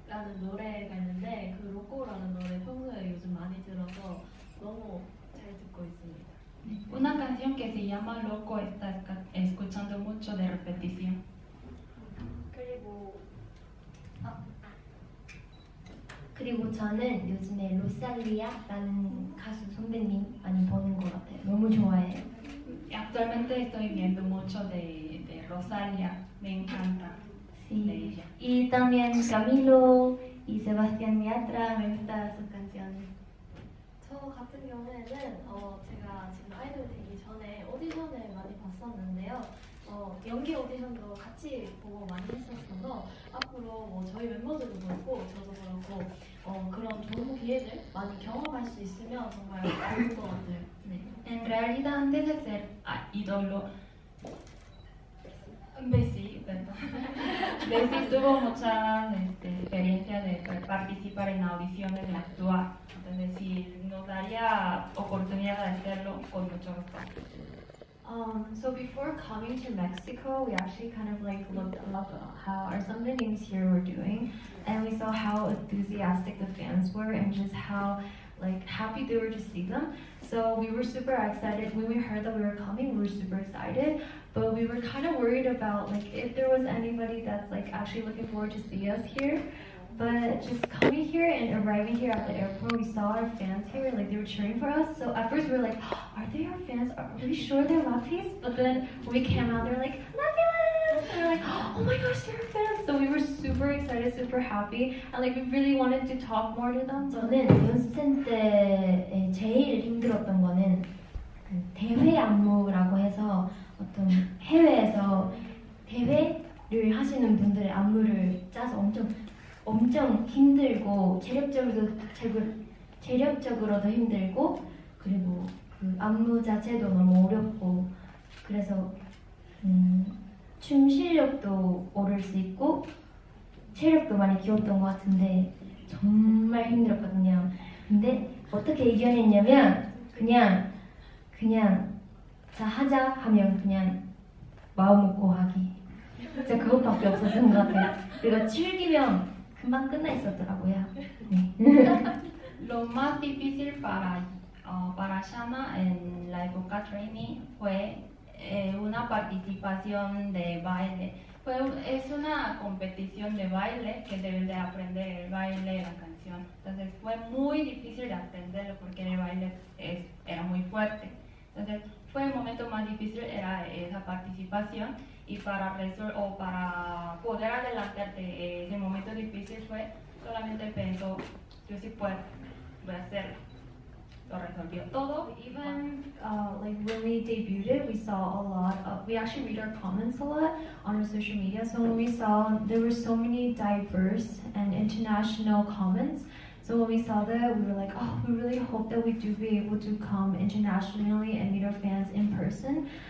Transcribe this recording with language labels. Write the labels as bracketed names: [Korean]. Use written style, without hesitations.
[Korean] 라는 노래가 있는데 그 로코라는 노래 평소에 요즘 많이 들어서 너무 잘 듣고 있습니다. [Spanish] Una canción que se llama Loco está escuchando mucho de repetición. [Korean] 그리고 그리고 저는 요즘에 로살리아라는 가수 선배님 많이 보는 것 같아요. 너무 좋아해요. [Spanish] Actualmente estoy viendo mucho de Rosalía. Me encanta. Sí. Y también Camilo y Sebastián Yatra, me gustan sus canciones. [Korean] Yo, 같은 경우에는 제가 지금 아이돌 되기 전에 오디션을 많이 봤었는데요. 연기 오디션도 같이 보고 많이 했었어서 앞으로 저희 멤버들도 그렇고 저도 그렇고 그런 좋은 기회들 많이 경험할 수 있으면 정말 좋을 것 같아요. 네. [Spanish] En realidad antes de ser idol Bessie tuvo mucha experiencia de participar en audiciones, de actuar. Entonces, sí, nos daría oportunidad de hacerlo con mucho gusto. [English] So before coming to Mexico, we actually kind of like looked up how our somebodies here were doing, and we saw how enthusiastic the fans were and just how like happy they were to see them. So we were super excited when we heard that we were coming. We were super excited, but we were kind of worried about like if there was anybody that's like actually looking forward to see us here. But just coming here and arriving here at the airport, we saw our fans here, like they were cheering for us. So at first we were like, oh, are they our fans? Are we sure they're Lapis? But then we came out, they're like, Lapis! And we're like, oh my gosh, they're our fans. So we were super excited, super happy. And like we really wanted to talk more to them. [Korean] 저는 연습생 때 제일 힘들었던 거는 대회 안무라고 해서 어떤 해외에서 대회를 하시는 분들의 안무를 짜서 엄청 힘들고 체력적으로도 힘들고 그리고 그 안무 자체도 너무 어렵고 그래서 춤 실력도 오를 수 있고 체력도 많이 키웠던 것 같은데 정말 힘들었거든요. 근데 어떻게 이겨냈냐면 그냥 자 하자 하면 그냥 마음 먹고 하기 진짜 그것밖에 없었던 것 같아요. 그리고 즐기면 금방 끝나 있었더라고요. 네. [Spanish] más difícil para Shana en la época training fue una participación de baile. Fue es una competición de baile que deben de aprender el baile y la canción. Entonces fue muy difícil de aprenderlo porque el baile era muy fuerte. Entonces fue el momento más difícil era esa participación. Y para para poder adelantarte ese momento difícil fue solamente pensó yo sí puedo voy a hacerlo lo resolvió todo [English] even like when we debuted we saw a lot of, we actually read our comments a lot on our social media so when we saw there were so many diverse and international comments so when we saw that we were like oh we really hope that we do be able to come internationally and meet our fans in person.